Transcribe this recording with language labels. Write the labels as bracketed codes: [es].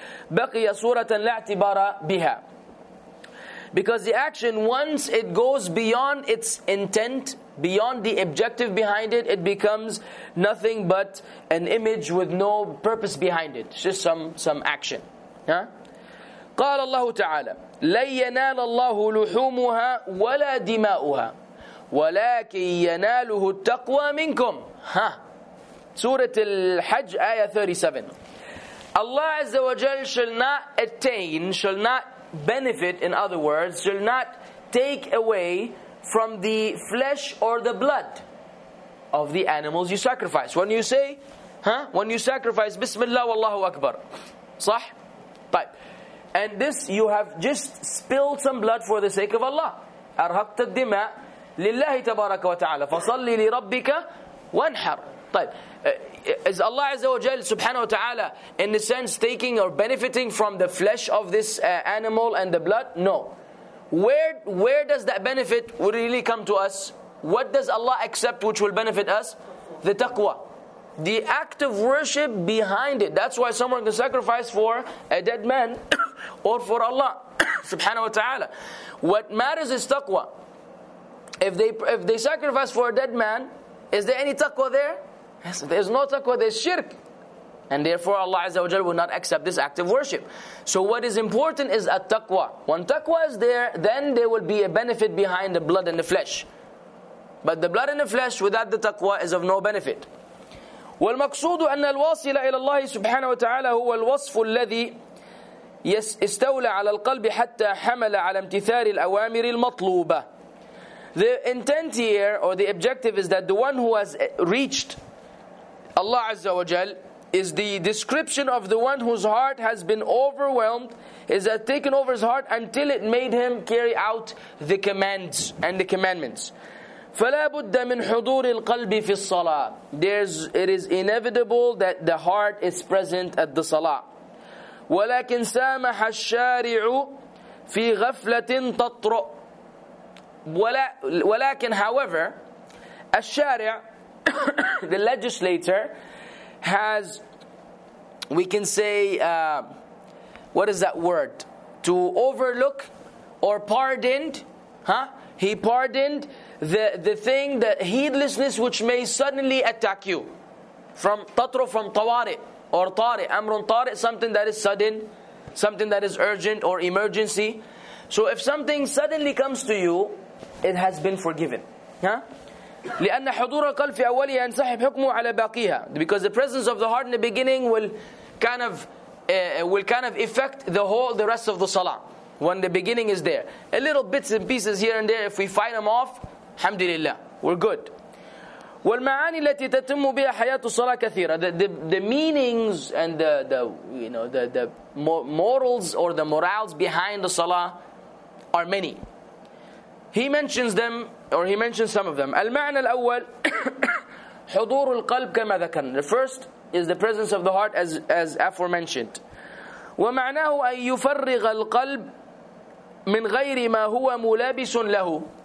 [ar] بقي صورة لا اعتبار بها. [en] Because the action, once it goes beyond its intent, beyond the objective behind it, it becomes nothing but an image with no purpose behind it. It's just some action. Huh? [ar] قال الله تعالى لن ينال الله لحومها ولا دماؤها ولكن يناله التقوى منكم. Huh? سورة الحج آية 37. [en] Allah Azza wa Jal shall not attain, shall not benefit, in other words, shall not take away from the flesh or the blood of the animals you sacrifice. When you say, huh? When you sacrifice, Bismillah, Wallahu Akbar. [ar] صح? طيب. [en] And this, you have just spilled some blood for the sake of Allah. [ar] أرهقت الدماء لله تبارك وتعالى. فصلي لربك وانحر. طيب. [en] Is Allah Azza wa Jal subhanahu wa ta'ala in the sense taking or benefiting from the flesh of this animal and the blood? No. Where does that benefit really come to us? What does Allah accept which will benefit us? The taqwa. The act of worship behind it. That's why someone can sacrifice for a dead man or for Allah subhanahu wa ta'ala. What matters is taqwa. If they sacrifice for a dead man, is there any taqwa there? Yes, there's no taqwa, there's shirk. And therefore Allah Azza wa Jal will not accept this act of worship. So what is important is a taqwa. When taqwa is there, then there will be a benefit behind the blood and the flesh. But the blood and the flesh without the taqwa is of no benefit. [ar] والمقصود أن الواصل إلى الله سبحانه وتعالى هو الوصف الذي استولى على القلب حتى حمل على امتثال الأوامر المطلوبة. [en] The intent here, or the objective, is that the one who has reached Allah Azza wa Jal is the description of the one whose heart has been overwhelmed, is that taken over his heart until it made him carry out the commands and the commandments. [ar] فلا بد من حضور القلب في الصلاة. [en] It is inevitable that the heart is present at the salah. [ar] ولكن سامح الشارع في غفلة تطرأ. [en] ولكن however, الشارع the legislator has, we can say, what is that word? To overlook or pardoned, huh? He pardoned the thing, the heedlessness which may suddenly attack you. From tatru, from tawari, or tari, amrun tari, something that is sudden, something that is urgent or emergency. So if something suddenly comes to you, it has been forgiven, huh? [ar] لأن حضور القلب في أوله ينسحب حكمه على باقيها. [en] Because the presence of the heart in the beginning will kind of affect the rest of the salah when the beginning is there. A little bits and pieces here and there, if we fight them off, alhamdulillah, we're good. [ar] والمعاني التي تتم بها حياة الصلاة كثيرة. [en] The meanings and the morals or the morals behind the salah are many. He mentions them, or he mentions some of them. [ar] المعنى الأول حضور القلب كما ذكرنا. [en] The first is the presence of the heart as aforementioned. [ar] ومعناه أن يفرغ القلب من غير ما هو ملابس له.